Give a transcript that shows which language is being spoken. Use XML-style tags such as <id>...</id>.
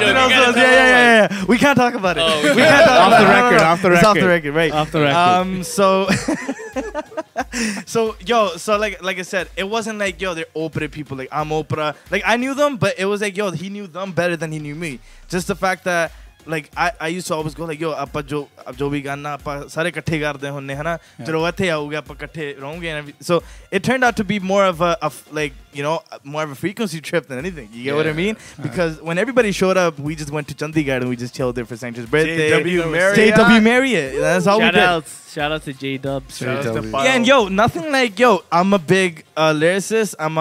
<en>Something else was. Yeah. We can't talk about it. Oh, we can't talk about it. Off the record. It's off the record, right. Off the record. So like I said, it wasn't like, yo, they're Oprah people. Like, I'm Oprah. Like, I knew them, but it was like, yo, he knew them better than he knew me. Just the fact that, like, I used to always go like, yo,</en> <pa>ਆਪਾਂ ਜੋ ਅਬ ਜੋ ਭੀ ਗਾਣਾ ਆਪਾਂ ਸਾਰੇ ਇਕੱਠੇ ਕਰਦੇ ਹੁੰਨੇ ਹੈ ਨਾ ਚਲੋ ਐਥੇ ਆਓਗੇ ਆਪਾਂ ਇਕੱਠੇ ਰਹਾਂਗੇ।</pa> <en>So it turned out to be more of a like, you know, more of a frequency trip than anything. You get what I mean? Because when everybody showed up, we just went to Chandigarh and we just chilled there for Sanchez's birthday. JW Marriott. That's all shout we did. Shout out to J-Dub. Yeah, and yo, nothing like, yo, I'm a big lyricist.</en>